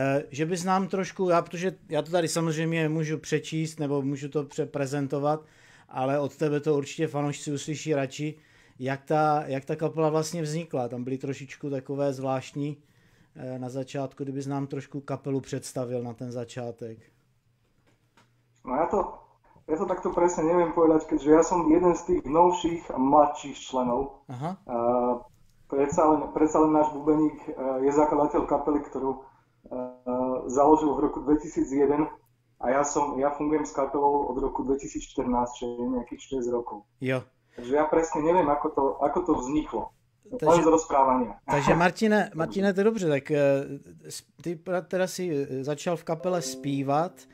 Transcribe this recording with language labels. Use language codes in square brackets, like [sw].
[cs] Že bys nám trošku, protože já to tady samozřejmě můžu přečíst nebo můžu to přeprezentovat, ale od tebe to určitě fanoušci uslyší radši, jak ta kapela vlastně vznikla. Tam byly trošičku takové zvláštní na začátku, kdybys nám trošku kapelu představil na ten začátek. [sk] Ja to takto presne neviem povedať, keďže ja som jeden z tých novších a mladších členov. Aha. Predsa len náš bubeník je zakladateľ kapely, ktorú založil v roku 2001 a ja fungujem s kapelou od roku 2014, čiže nejakých 6 rokov. [cs] Jo. [sk] Takže ja presne neviem, ako to vzniklo. Len z rozprávania. [cs] Takže Martine, to je dobře, tak ty teda si začal v kapele zpívat.